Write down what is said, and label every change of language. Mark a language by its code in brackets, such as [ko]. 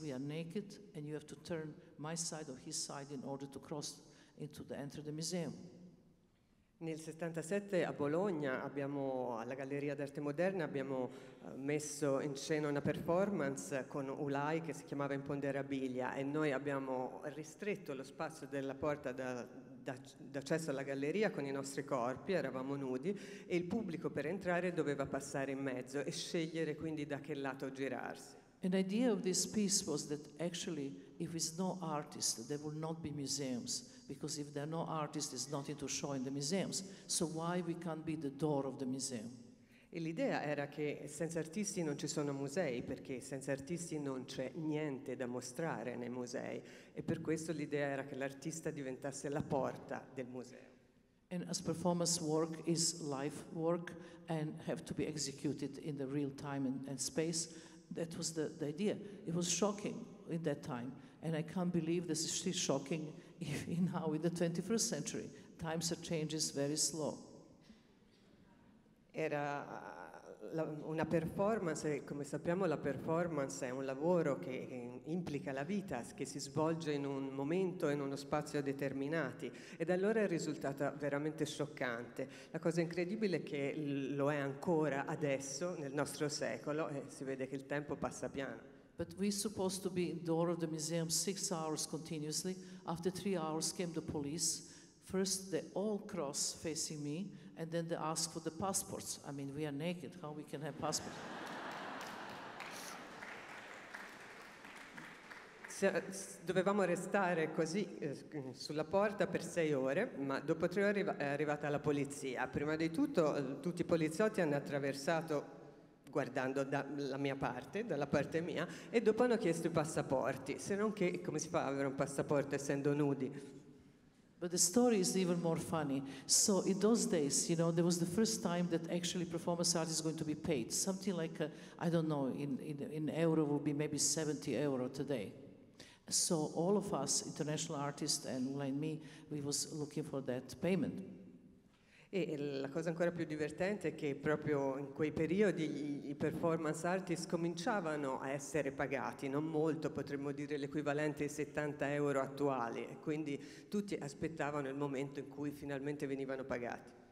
[en] We are naked, and you have to turn my side or his side in order to cross into the enter the museum. [it] Nel 77 a Bologna abbiamo, alla Galleria d'Arte Moderna, abbiamo messo in scena una performance con Ulay che si chiamava Imponderabilia, e noi abbiamo ristretto lo spazio della porta d'accesso alla galleria con i nostri corpi, eravamo nudi, e il pubblico per entrare doveva passare in mezzo e scegliere quindi da che lato girarsi. [en] An idea of this piece was that actually if it's no artist there will not be museums. Because if there are no artists, there's nothing to show in the museums. So why we can't be the door of the museum? [it] E l'idea era che senza artisti non ci sono musei, perché senza artisti non c'è niente da mostrare nei musei. E per questo l'idea era che l'artista diventasse la porta del museo. [en] And as performance work is life work and have to be executed in the real time and space, that was the idea. It was shocking in that time. And I can't believe this is still shocking in how in the 21st century times are changing very slow. [it] Era una performance, come sappiamo la performance è un lavoro che implica la vita, che si svolge in un momento e in uno spazio determinati, ed allora è risultata veramente scioccante. La cosa incredibile è che lo è ancora adesso nel nostro secolo, e si vede che il tempo passa piano. [en] But we're supposed to be in the door of the museum 6 hours continuously. After 3 hours came the police. First they all cross facing me, and then they ask for the passports. I mean, we are naked, how we can have passports? [it] Dovevamo restare così sulla porta per 6 ore, ma dopo 3 ore è arrivata la polizia. Prima di tutto, tutti i poliziotti hanno attraversato guardando dalla parte mia, e dopo hanno chiesto i passaporti, se non che come si fa ad avere un passaporto essendo nudi? [en] But the story is even more funny. So in those days, you know, there was the first time that actually performance art is going to be paid, something like, I don't know, in euro would be maybe 70 euro today. So all of us, international artists and like me, we was looking for that payment. [it] E la cosa ancora più divertente è che proprio in quei periodi i performance artists cominciavano a essere pagati, non molto, potremmo dire l'equivalente ai 70 euro attuali, e quindi tutti aspettavano il momento in cui finalmente venivano pagati.